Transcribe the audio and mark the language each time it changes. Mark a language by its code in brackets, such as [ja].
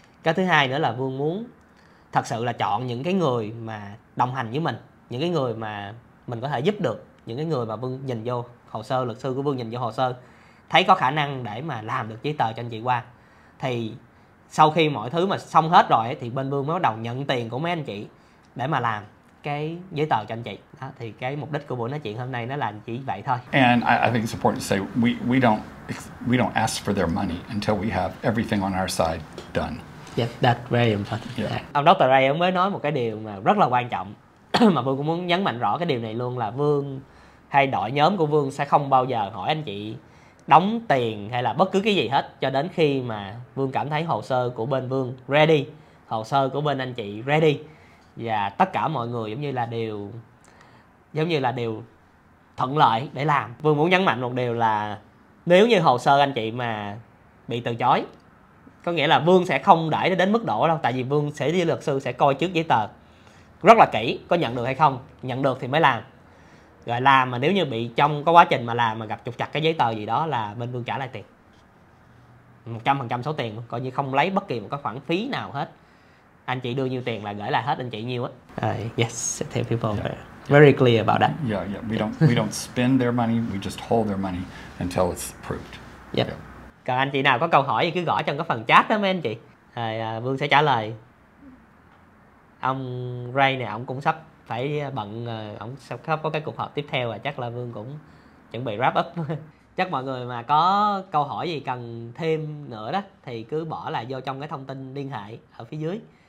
[vi] Cái thứ hai nữa là Vương muốn thật sự là chọn những cái người mà đồng hành với mình, những cái người mà mình có thể giúp được, những cái người mà Vương nhìn vô hồ sơ, luật sư của Vương nhìn vô hồ sơ thấy có khả năng để mà làm được giấy tờ cho anh chị qua. Thì sau khi mọi thứ mà xong hết rồi thì bên Vương mới bắt đầu nhận tiền của mấy anh chị để mà làm cái giấy tờ cho anh chị đó. Thì cái mục đích của buổi nói chuyện hôm nay nó là chỉ vậy thôi. [en] And I think it's important to say we don't ask for their money until we have everything on our side done. Yeah, that's very important. Yeah. [vi] Ông Dr. Ray mới nói một cái điều mà rất là quan trọng. mà Vương cũng muốn nhấn mạnh rõ cái điều này luôn, là Vương hay đội nhóm của Vương sẽ không bao giờ hỏi anh chị đóng tiền hay là bất cứ cái gì hết cho đến khi mà Vương cảm thấy hồ sơ của bên Vương ready, hồ sơ của bên anh chị ready, và tất cả mọi người giống như là đều thuận lợi để làm. Vương muốn nhấn mạnh một điều là nếu như hồ sơ anh chị mà bị từ chối, có nghĩa là Vương sẽ không để nó đến mức độ đâu, tại vì Vương sẽ đi luật sư sẽ coi trước giấy tờ rất là kỹ, có nhận được hay không, nhận được thì mới làm. Rồi làm mà nếu như bị trong có quá trình mà làm mà gặp trục trặc cái giấy tờ gì đó là bên Vương trả lại tiền 100% số tiền, coi như không lấy bất kỳ một cái khoản phí nào hết. Anh chị đưa nhiêu tiền là gửi lại hết anh chị nhiêu á. [en] Yes, I tell people very clear about that. We don't spend their money, we just hold their money until it's approved. [vi] Còn anh chị nào có câu hỏi gì cứ gõ trong cái phần chat đó mấy anh chị. Rồi Vương sẽ trả lời. Ông Ray này ông cũng sắp phải bận, ông sắp có cái cuộc họp tiếp theo và chắc là Vương cũng chuẩn bị wrap up. Chắc mọi người mà có câu hỏi gì cần thêm nữa đó thì cứ bỏ lại vô trong cái thông tin liên hệ ở phía dưới.